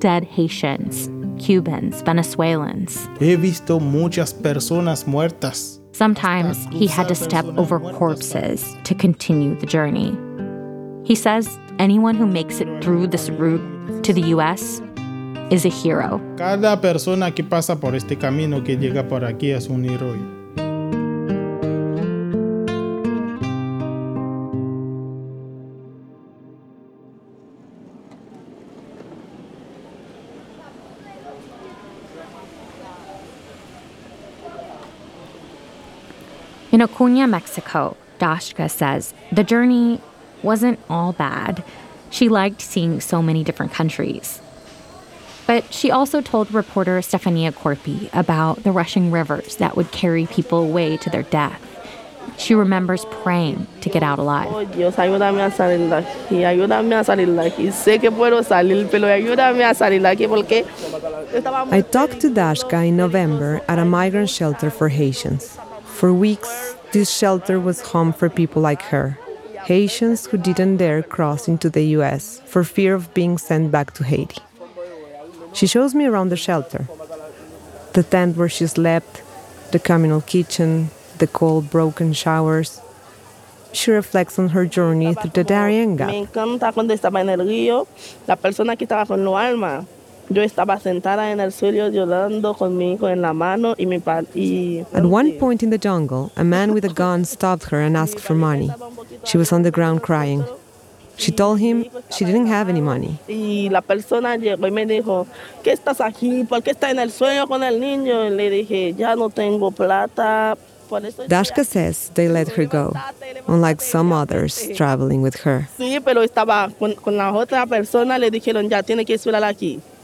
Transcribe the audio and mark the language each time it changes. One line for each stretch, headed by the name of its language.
English: Dead Haitians, Cubans, Venezuelans.
Spanish: He visto muchas personas muertas.
English: Sometimes he had to step over corpses to continue the journey. He says anyone who makes it through this route to the U.S. is a hero.
Spanish: Cada persona que pasa por este camino que llega por aquí es un héroe.
English: In Acuña, Mexico, Dashka says the journey wasn't all bad. She liked seeing so many different countries. But she also told reporter Stefania Corpi about the rushing rivers that would carry people away to their death. She remembers praying to get out alive.
Spanish: Oh, Dios, ayúdame a salir de aquí. Sé que puedo salir, pero ayúdame a salir de aquí porque...
English: I talked to Dashka in November at a migrant shelter for Haitians. For weeks, this shelter was home for people like her, Haitians who didn't dare cross into the U.S. for fear of being sent back to Haiti. She shows me around the shelter, the tent where she slept, the communal kitchen, the cold, broken showers. She reflects on her journey through the Darién Gap.
Spanish: Me encanta cuando estaba en el río, la persona que estaba con los almas. Yo estaba sentada en el suelo llorando con mi hijo en la mano y mi padre.
English: At one point in the jungle, a man with a gun stopped her and asked for money. She was on the ground crying. She told him she didn't have any money.
Spanish: Y la persona llegó y me dijo, ¿qué estás aquí? ¿Por qué estás en el suelo con el niño? Y le dije, ya no tengo plata.
English: Dashka says they let her go, unlike some others traveling with her.
Spanish: Sí, pero estaba con la otra persona, le dijeron, ya tiene que esperar aquí.